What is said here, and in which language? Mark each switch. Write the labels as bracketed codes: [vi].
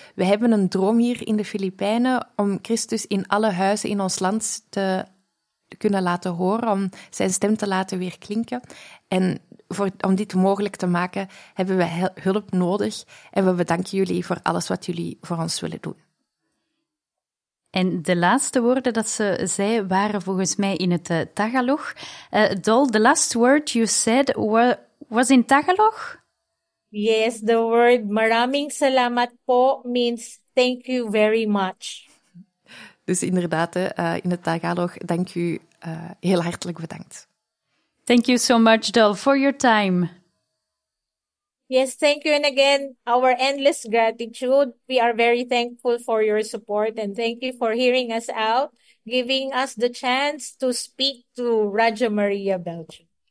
[nl] We hebben een droom hier in de Filipijnen om Christus in alle huizen in ons land te kunnen laten horen, om zijn stem te laten weer klinken. En om dit mogelijk te maken, hebben we hulp nodig. En we bedanken jullie voor alles wat jullie voor ons willen doen. En de laatste woorden dat ze zei waren volgens mij in het Tagalog. [en] Dol, the last word you said was in Tagalog? Yes, the word [tl] maraming salamat po [en] means thank you very much. [nl] Dus inderdaad, in het Tagalog, dank u heel hartelijk bedankt. [en] Thank you so much, Dol, for your time. Yes, thank you. And again, our endless gratitude. We are very thankful for your support and thank you for hearing us out, giving us the chance to speak to Radio Maria Belgium.